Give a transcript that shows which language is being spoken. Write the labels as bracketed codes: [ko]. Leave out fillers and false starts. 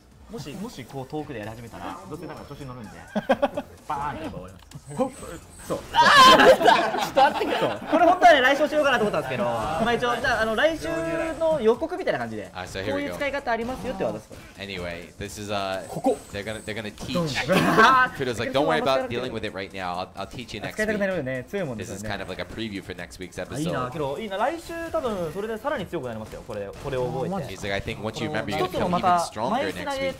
[ja] もしこう遠くでやり始めたら、どうせなんか調子乗るんで。バーンって終わります。そう。ああ、出た。ちょっと待ってくれ。これ本当はね来週しようかなと思ったんですけど、まあ一応じゃあ来週の予告みたいな感じで。こういう使い方ありますよって渡す。 [en] Anyway, this is [ja] ここ。 [en] They're gonna teach. Kudo's like, don't worry about dealing with it right now. I'll teach you next week. This is kind of like a preview for next week's episode. [ja] いいな、けどいいな。来週多分それでさらに強くなりますよ。これを覚えて。 [en] He's like, I think once you remember, you're gonna become even stronger next week.